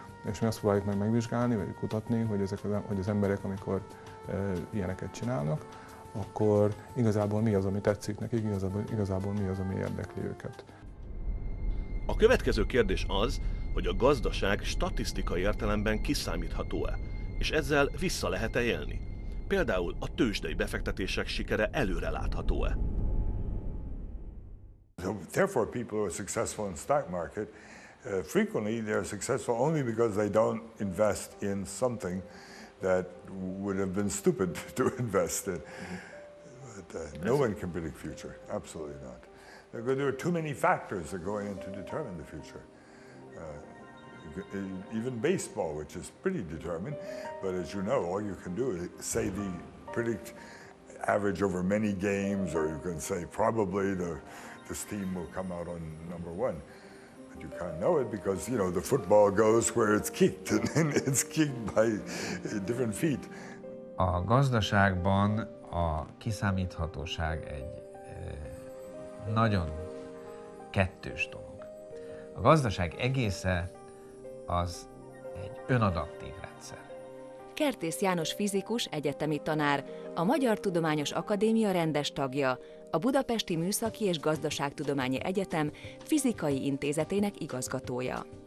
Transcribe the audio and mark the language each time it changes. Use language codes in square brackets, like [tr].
[hu] És mi azt próbáljuk meg megvizsgálni, vagy kutatni, hogy az emberek, amikor ilyeneket csinálnak, akkor igazából mi az, ami tetszik nekik, igazából mi az, ami érdekli őket. A következő kérdés az, hogy a gazdaság statisztikai értelemben kiszámítható-e, és ezzel vissza lehet-e élni? Például a tőzsdei befektetések sikere előre látható-e? [en] So, therefore, people who are successful in the stock market, frequently they are successful only because they don't invest in something that would have been stupid to invest in. But, no one can predict the future, absolutely not. There are too many factors that go in to determine the future. Even baseball, which is pretty determined, but as you know, all you can do is say the predict average over many games, or you can say probably this team will come out on number one. But you can't know it because, you know, the football goes where it's kicked, and then it's kicked by different feet. [hu] A gazdaságban a kiszámíthatóság egy nagyon kettős dolog. A gazdaság egésze az egy önadaptív rendszer. Kertész János fizikus, egyetemi tanár, a Magyar Tudományos Akadémia rendes tagja, a Budapesti Műszaki és Gazdaságtudományi Egyetem fizikai intézetének igazgatója.